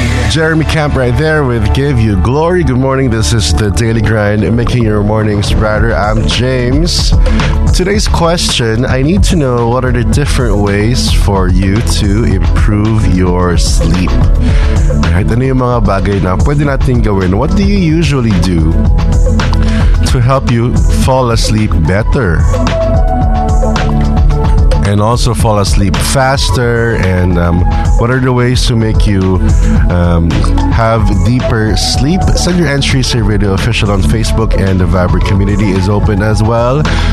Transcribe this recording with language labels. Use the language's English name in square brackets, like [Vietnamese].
[English] Jeremy Camp right there with Give You Glory. Good morning. This is The Daily Grind, making your mornings brighter. I'm James. Today's question, I need to know, what are the different ways for you to improve your sleep? [Filipino] Right, ano yung mga bagay na pwede natin gawin? [English] What do you usually do to help you fall asleep better? And also fall asleep faster? And what are the ways to make you have deeper sleep? Send your entries to Radio Official on Facebook, and the Viber community is open as well.